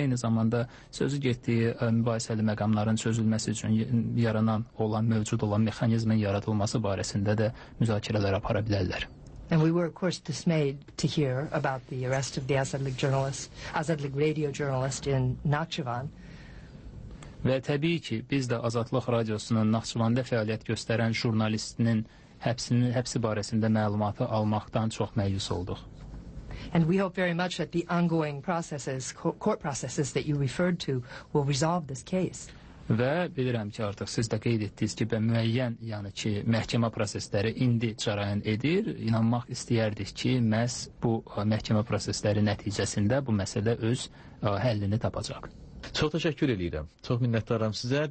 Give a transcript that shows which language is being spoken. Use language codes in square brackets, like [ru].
[az] Eyni zamanda sözü getdiyi mübahisəli məqamların çözülməsi üçün mövcud olan mexanizmin yaradılması barəsində də müzakirələr apara bilərlər. [en] And we were, of course, dismayed to hear about the arrest of the Azadlik radio journalist in Nakhchivan. [az] Və təbii ki, biz də Azadlıq Radiosunun Naxçıvanda fəaliyyət göstərən jurnalistinin həbsi barəsində məlumatı almaqdan çox məyus olduq. [en] And we hope very much that the ongoing processes, court processes that you referred to, will resolve this case. [az] Və bilirəm ki, artıq siz də qeyd etdiniz ki, müəyyən, yəni ki, məhkəmə prosesləri indi cərəyan edir. İnanmaq istəyərdik ki, məhz bu məhkəmə prosesləri nəticəsində bu məsələ öz həllini tapacaq. Çox təşəkkür edirəm. Çox minnətdaram sizə.